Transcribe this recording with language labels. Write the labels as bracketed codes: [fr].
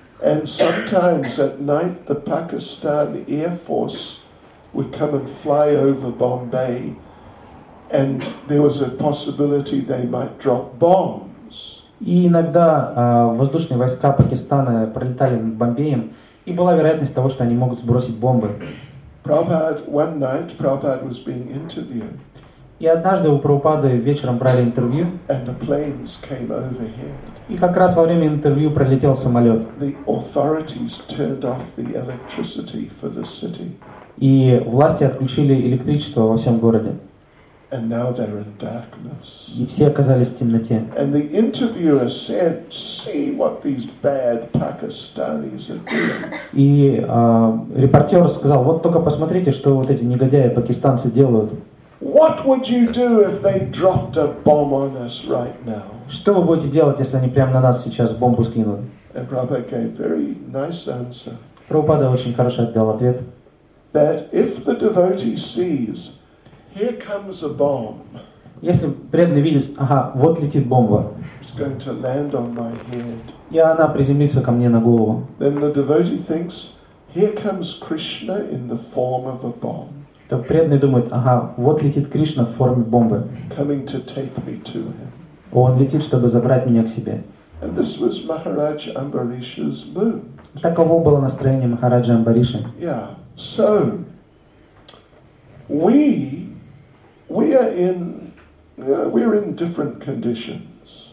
[en] And sometimes at night the Pakistan Air Force would come and fly over Bombay, and there was a possibility they might drop bombs. [ru] И иногда воздушные войска Пакистана пролетали над Бомбеем. И была вероятность того, что они могут сбросить бомбы. [en] Prabhupada, one night, Prabhupada was being interviewed. [ru] И однажды у Прабхупады вечером брали интервью. [en] And the planes came overhead. [ru] И как раз во время интервью пролетел самолет. [en] The authorities turned off the electricity for the city. [ru] И власти отключили электричество во всем городе. [en] And now they're in darkness. [ru] И все оказались в темноте. [en] And the interviewer said, "See what these bad Pakistanis are doing." [ru] И репортер сказал, вот только посмотрите, что вот эти негодяи пакистанцы делают. [en] What would you do if they dropped a bomb on us right now? [ru] Что вы будете делать, если они прямо на нас сейчас бомбу скинут? [en] And Prabhupada gave very nice answer. [ru] Прабхупада очень хорошо дал ответ. [en] That if the devotee sees, here comes a bomb. [ru] Если преданный видит, ага, вот летит бомба. [en] It's going to land on my head. [ru] И она приземлится ко мне на голову. [en] Then the devotee thinks, Here comes Krishna in the form of a bomb. [ru] То преданный думает: ага, вот летит Кришна в форме бомбы. [en] Coming to take me to him. [ru] Он летит, чтобы забрать меня к себе. [en] And this was Maharaj Ambarish's mood. [ru] Таково было настроение Махараджа Амбариша. [en] Yeah. So we are in different conditions.